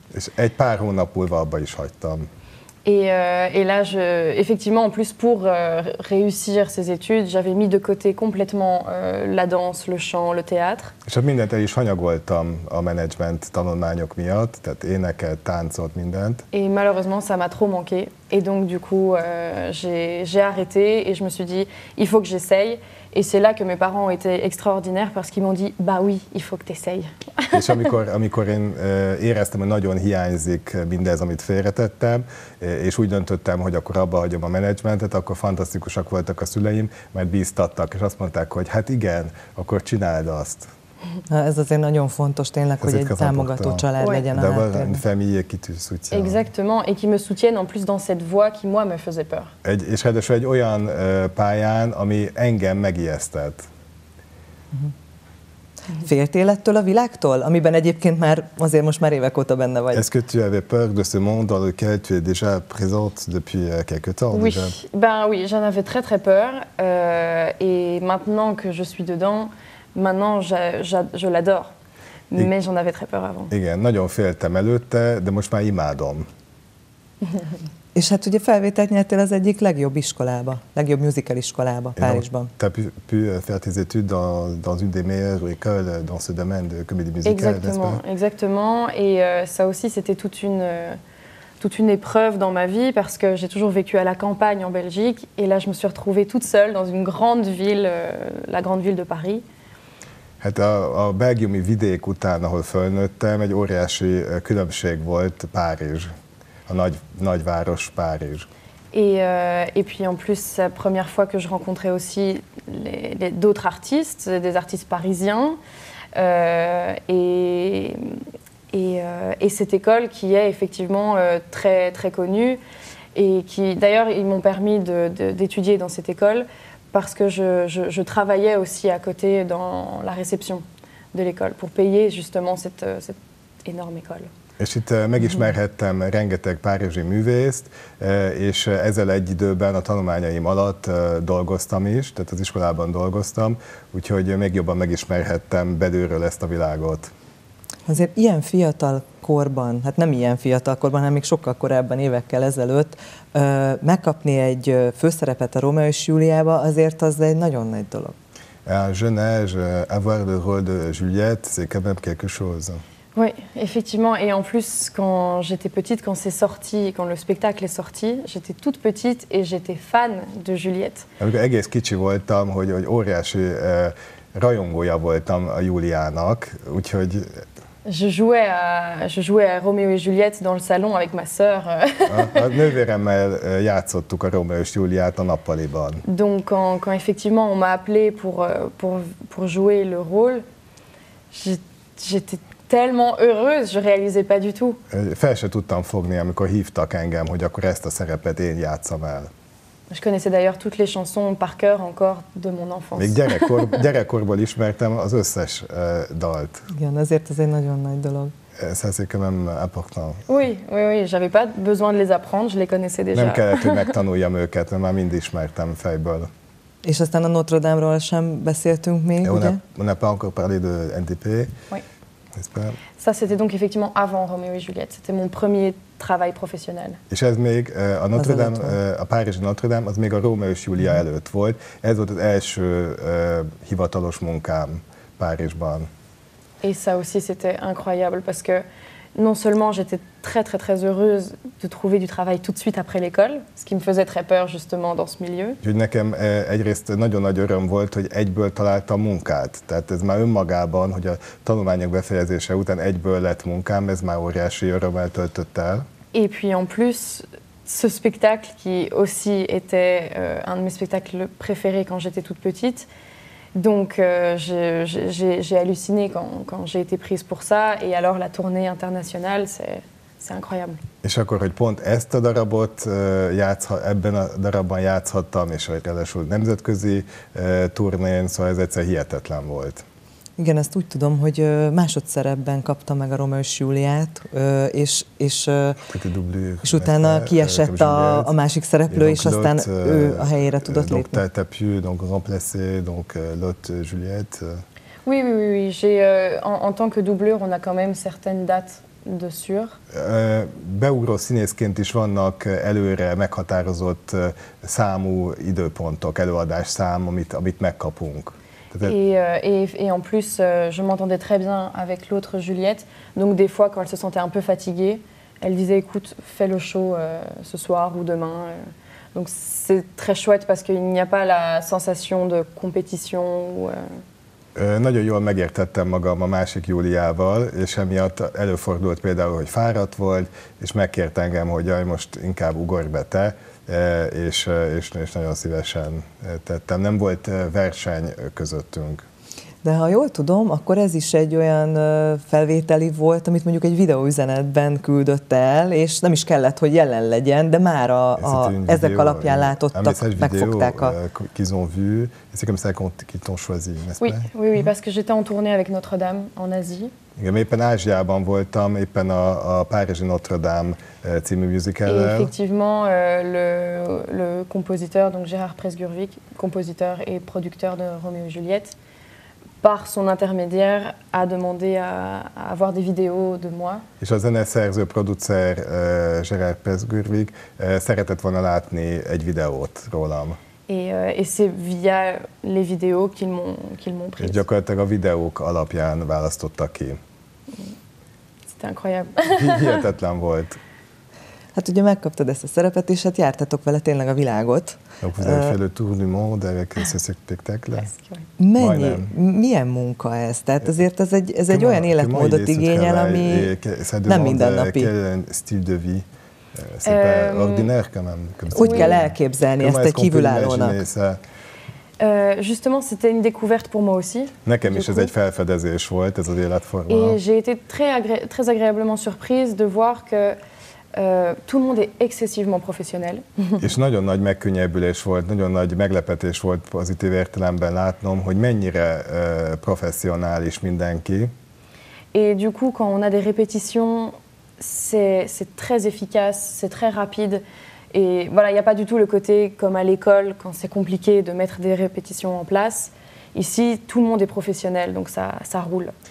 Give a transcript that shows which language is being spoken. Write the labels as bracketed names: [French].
[Hungarian] És egy pár hónap múlva abba is hagytam. [French] Et là, effectivement, en plus pour réussir ces études, j'avais mis de côté complètement la danse, le chant, le théâtre. [Hungarian] És mindent el is hanyagoltam a management tanulmányok miatt, tehát éneket, táncot, mindent. [French] Et malheureusement, ça m'a trop manqué. Et donc, du coup, j'ai arrêté et je me suis dit, il faut que j'essaye. Et c'est là que mes parents ont été extraordinaires parce qu'ils m'ont dit, bah oui, il faut que t'essayes. [Hungarian] És amikor én éreztem, hogy nagyon hiányzik mindez, amit félretettem, és úgy döntöttem, hogy akkor abba hagyom a menedzsmentet, akkor fantasztikusak voltak a szüleim, mert bíztattak, és azt mondták, hogy hát igen, akkor csináld azt. Ez azért nagyon fontos tényleg, hogy egy támogató család legyen a háttérben. [French] Exactement, et qui me soutiennent en plus dans cette voie qui moi me faisait peur. [Hungarian] És ráadásul egy olyan pályán, ami engem megijesztett. Féltél ettől a világtól, amiben egyébként már azért most már évek óta benne vagy? [French] Est-ce que tu avais peur de ce monde dans lequel tu es déjà présente depuis quelques temps? Oui, ben oui, j'en avais très très peur, et maintenant que je suis dedans, maintenant je l'adore, mais j'en avais très peur avant. [Hungarian] Igen, nagyon féltem előtte, de most már imádom. És hát ugye felvételt nyertél az egyik legjobb iskolába, legjobb musical iskolába Párizsban. [French] Tu as pu faire tes études dans une des meilleures écoles dans ce domaine de comédie musicale, exactement, n'est-ce pas? Exactement, et ça aussi c'était toute une épreuve dans ma vie parce que j'ai toujours vécu à la campagne en Belgique et là je me suis retrouvée toute seule dans une grande ville, la grande ville de Paris. [Hungarian] Hát a belgiumi vidék után, ahol felnőttem, egy óriási különbség volt Párizs. A nagyváros Párizs. [French] Et puis en plus, la première fois que je rencontrais aussi d'autres artistes, des artistes parisiens, et cette école qui est effectivement très très connue et qui, d'ailleurs, ils m'ont permis d'étudier dans cette école parce que je travaillais aussi à côté dans la réception de l'école pour payer justement cette énorme école. [Hungarian] És itt megismerhettem rengeteg párizsi művészt, és ezzel egy időben a tanulmányaim alatt dolgoztam is, tehát az iskolában dolgoztam, úgyhogy még jobban megismerhettem belülről ezt a világot. Azért ilyen fiatal korban, hát nem ilyen fiatal korban, hanem még sokkal korábban, évekkel ezelőtt, megkapni egy főszerepet a Romeo és Júliába, azért az egy nagyon nagy dolog. [French] À un jeune âge, avoir le rôle de Juliette, c'est quand même quelque chose. Oui, effectivement. Et en plus, quand j'étais petite, quand c'est sorti, quand le spectacle est sorti, j'étais toute petite et j'étais fan de Juliette. [Hungarian] Amikor egész kicsi voltam, hogy óriási rajongója voltam a Juliának, úgyhogy... [French] Je jouais à Roméo et Juliette dans le salon avec ma sœur. [Hungarian] A nővéremmel játszottuk a Roméo és Juliát a nappaliban. [French] Donc quand effectivement on m'a appelé pour jouer le rôle, j'étais tellement heureuse, je réalisais pas du tout. [Hungarian] Fel se tudtam fogni, amikor hívtak engem, hogy akkor ezt a szerepet én játszam el. [French] Je connaissais d'ailleurs toutes les chansons par cœur encore de mon enfance. [Hungarian] Még gyerekkorból ismertem az összes dalt. Igen, azért ez egy nagyon nagy dolog. [French] Ça c'est quand même important. Oui, j'avais pas besoin de les apprendre, je les connaissais déjà. [Hungarian] Nem kellett, hogy megtanuljam őket, mert már mind ismertem fejből. És aztán a Notre Dame-ról sem beszéltünk még, ugye? [French] On n'a pas encore parlé de NTP. Oui. Ça, c'était donc effectivement avant Roméo et Juliette. C'était mon premier travail professionnel. [Hungarian] És ez még a Notre Dame, a Párizsi Notre Dame, az még a Roméo és Júlia előtt volt. Ez volt az első hivatalos munkám Párizsban. [French] Et ça aussi, c'était incroyable parce que non seulement j'étais très très très heureuse de trouver du travail tout de suite après l'école, ce qui me faisait très peur justement dans ce milieu. [Hungarian] Úgyhogy nekem egyrészt nagyon nagy öröm volt, hogy egyből találtam munkát. Tehát ez már önmagában, hogy a tanulmányok befejezése után egyből lett munkám, ez már óriási örömmel töltött el. [French] Et puis en plus, ce spectacle qui aussi était un de mes spectacles préférés quand j'étais toute petite. Donc j'ai halluciné quand j'ai été prise pour ça et alors la tournée internationale c'est incroyable. [Hungarian] És akkor hogy pont ezt a darabot ebben a darabban játszhattam és hogy ráadásul nemzetközi turnén, szóval ez egyszer hihetetlen volt. Igen, ezt úgy tudom, hogy másodszerepben kapta meg a Roméo és Júliát, és utána kiesett a másik szereplő, és aztán ő a helyére tudott lépni. [French] Donc t'as pu donc remplacer donc l'autre Juliette. Oui. J'ai en tant que doublure, on a quand même certaines dates de sûr. [Hungarian] Beugró színészként is vannak előre meghatározott számú időpontok, előadás szám, amit megkapunk. [French] Et en plus, je m'entendais très bien avec l'autre Juliette. Donc des fois, quand elle se sentait un peu fatiguée, elle disait, écoute, fais le show ce soir ou demain. Donc c'est très chouette parce qu'il n'y a pas la sensation de compétition. [Hungarian] Nagyon jól megértettem magam a másik Júliával, és emiatt előfordult például, hogy fáradt volt, és megkért engem, hogy jaj, most inkább ugorj be te. És nagyon szívesen tettem. Nem volt verseny közöttünk. De ha jól tudom, akkor ez is egy olyan felvételi volt, amit mondjuk egy videóüzenetben küldött el, és nem is kellett, hogy jelen legyen, de már ezek alapján látottak, megfogták a... [French] qu'ils ont vu, et c'est comme ça qu'ils t'ont choisi, n'est-ce pas? Oui, parce que j'étais en tournée avec Notre-Dame en Asie. [Hungarian] Igen, éppen Ázsiában voltam, éppen a Párizsi Notre-Dame című musicallel. [French] Et effectivement, le compositeur, donc Gérard Presgurvic, compositeur et producteur de Roméo et Juliette, par son intermédiaire, a demandé à avoir des vidéos de moi. [Hungarian] És a zeneszerző, producer Gérard Presgurvic szeretett volna látni egy videót rólam. [French] Et c'est via les vidéos qu'ils m'ont pris. [Hungarian] És gyakorlatilag a videók alapján választottak ki. [French] C'était incroyable. [Hungarian] Hihetetlen volt. Hát ugye megkaptad ezt a szerepet, és hát jártatok vele tényleg a világot. [French] Donc vous avez fait le tour du monde avec ce spectacle. [Hungarian] Mennyi, milyen munka ez? Tehát azért ez egy olyan életmódot igényel, ami nem mindennapi. [French] Quel style de vie? C'est pas ordinaire quand même. [Hungarian] Hogy kell elképzelni ezt egy kívülállónak? [French] Justement, c'était une découverte pour moi aussi. [Hungarian] Nekem is ez egy felfedezés volt, ez az életforma. [French] Et j'ai été très agréablement surprise de voir que tout le monde est excessivement professionnel. [Hungarian] És nagyon nagy megkönnyebbülés volt, nagyon nagy meglepetés volt pozitív értelemben látnom, hogy mennyire professzionális mindenki. [French] Et du coup, quand on a des répétitions, c'est très efficace, c'est très rapide. Et voilà, il n'y a pas du tout le côté comme à l'école, quand c'est compliqué de mettre des répétitions en place. Ici, tout le monde est professionnel, donc ça roule.